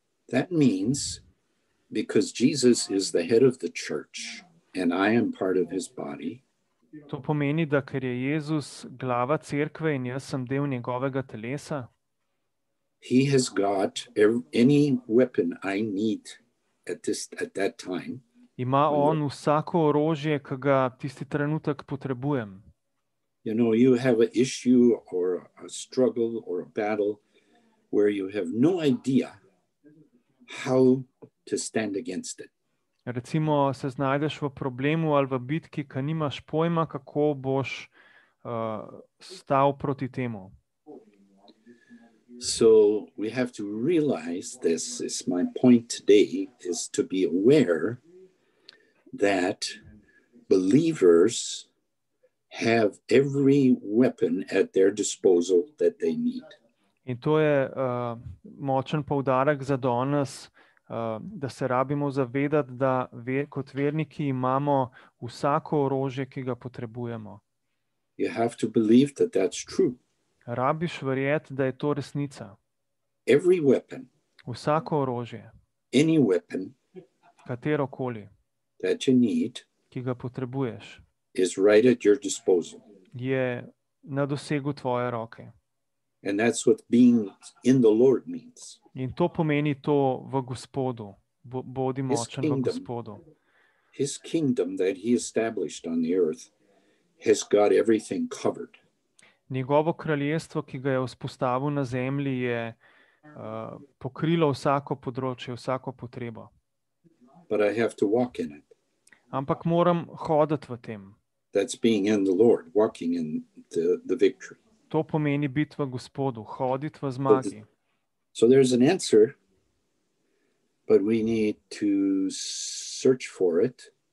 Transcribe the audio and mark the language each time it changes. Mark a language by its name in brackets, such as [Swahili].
[English] That means, because Jesus is the head of the church, and I am part of his body. [Slovenian] To pomeni, da ker je Jezus glava cerkve in jaz sem del njegovega telesa. [English] He has got any weapon I need at that time. [Slovenian] Ima on vsako orožje, ki ga tisti trenutek potrebujem. [English] You know, you have an issue or a struggle or a battle where you have no idea how to stand against it. [Slovenian] Recimo, se znajdeš v problemu ali v bitki, ki nimaš pojma, kako boš stal proti temu. [English] So we have to realize this is my point today, is to be aware that believers have every weapon at their disposal that they need. [Slovenian] In to je močen poudarek za danes, da se rabimo zavedati, da kot verniki imamo vsako orožje, ki ga potrebujemo. [English] You have to believe that that's true. [Slovenian] Rabiš verjeti, da je to resnica. [English] Every weapon. [Slovenian] Vsako orožje. [English] Any weapon. [Slovenian] Katerokoli. [English] That you need. [Slovenian] Ki ga potrebuješ. [English] Is right at your disposal. [Slovenian] Je na dosegu tvoje roke. [English] And that's what being in the Lord means. [Slovenian] In to pomeni to v Gospodu. Bodi močen v Gospodu. [English] His kingdom that he established on the earth has got everything covered. [Slovenian] Njegovo kraljestvo, ki ga je vzpostavil na zemlji, je pokrilo vsako področje, vsako potrebo. [English] But I have to walk in it. [Slovenian] Ampak moram hoditi v tem. [English] That's being in the Lord, walking in the victory. [Slovenian] To pomeni biti v Gospodu, hoditi v zmagi. [English] So there's an answer, but we need to search for it.